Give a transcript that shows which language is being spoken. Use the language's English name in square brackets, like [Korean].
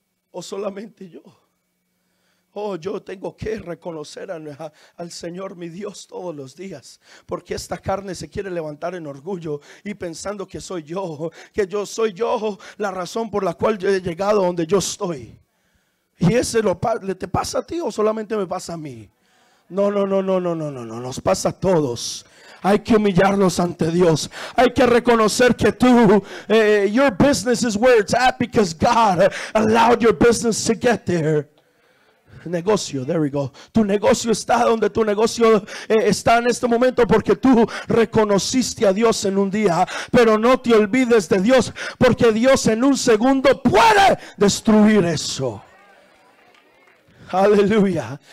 [Spanish] O solamente yo. Yo tengo que reconocer al Señor mi Dios todos los días, porque esta carne se quiere levantar en orgullo y pensando que soy yo, que yo soy yo la razón por la cual yo he llegado donde yo estoy. Y ese te pasa a ti o solamente me pasa a mí. No, nos pasa a todos. Hay que humillarnos ante Dios. Hay que reconocer que tú, [English] your business is where it's at because God allowed your business to get there. Negocio, there we go. [Spanish] Tu negocio está donde tu negocio está en este momento porque tú reconociste a Dios en un día. Pero no te olvides de Dios, porque Dios en un segundo puede destruir eso. Aleluya.